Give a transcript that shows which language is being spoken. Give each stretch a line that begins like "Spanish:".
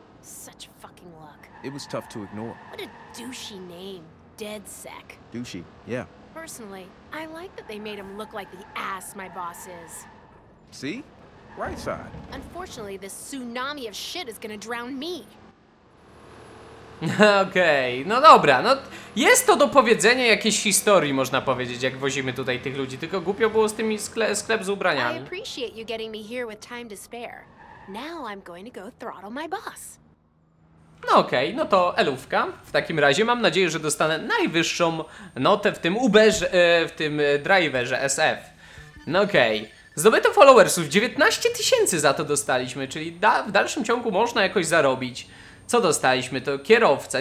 English: Such fucking luck. It was tough to ignore. What a douchey name. Dead sec. Douchey, yeah. Personally, I like that they made him look like the ass my boss is. See? Right side. Unfortunately, this tsunami of shit is gonna drown me.
Polish: Okej, okay, no dobra, no jest to do powiedzenia jakiejś historii, można powiedzieć, jak wozimy tutaj tych ludzi, tylko głupio było z tymi sklep z ubraniami.
English: I appreciate you getting me here with time to spare. Now I'm going to go throttle my boss.
Polish: No okej, okay, no to elówka. W takim razie mam nadzieję, że dostanę najwyższą notę w tym driverze SF. No okej. Okay. Zdobyto followersów, 19 tysięcy za to dostaliśmy, czyli w dalszym ciągu można jakoś zarobić. Co dostaliśmy? To kierowca.